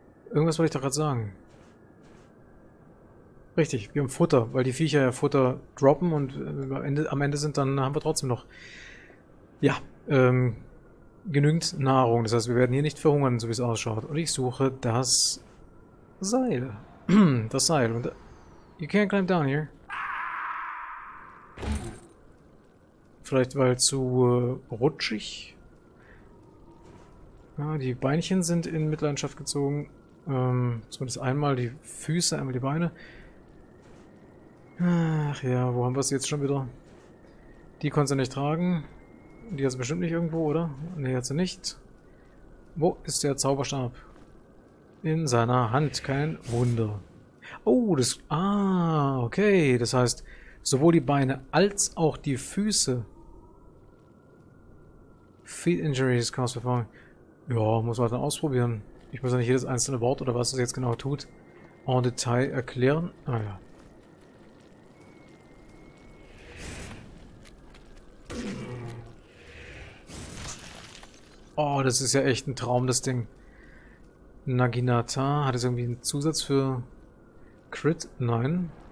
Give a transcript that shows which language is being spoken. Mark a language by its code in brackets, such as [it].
[de] Irgendwas wollte ich doch gerade sagen. Richtig, wir haben Futter, weil die Viecher ja Futter droppen und am Ende sind, dann haben wir trotzdem noch. Ja, genügend Nahrung. Das heißt, wir werden hier nicht verhungern, so wie es ausschaut. Und ich suche das Seil. Das Seil. Und [en] you can't climb down here. [de] Vielleicht weil zu rutschig. Ja, die Beinchen sind in Mitleidenschaft gezogen. Zumindest einmal die Füße, einmal die Beine. Ach ja, wo haben wir sie jetzt schon wieder? Die konnte sie nicht tragen. Die hat sie bestimmt nicht irgendwo, oder? Ne, hat sie nicht. Wo ist der Zauberstab? In seiner Hand. Kein Wunder. Oh, das... Ah, okay. Das heißt, sowohl die Beine als auch die Füße. [en] Feet injuries caused by falling. [de] Ja, muss man dann ausprobieren. Ich muss ja nicht jedes einzelne Wort oder was das jetzt genau tut, en Detail erklären. Ah ja. Oh, das ist ja echt ein Traum, das Ding. Naginata, hat es irgendwie einen Zusatz für Crit? Nein.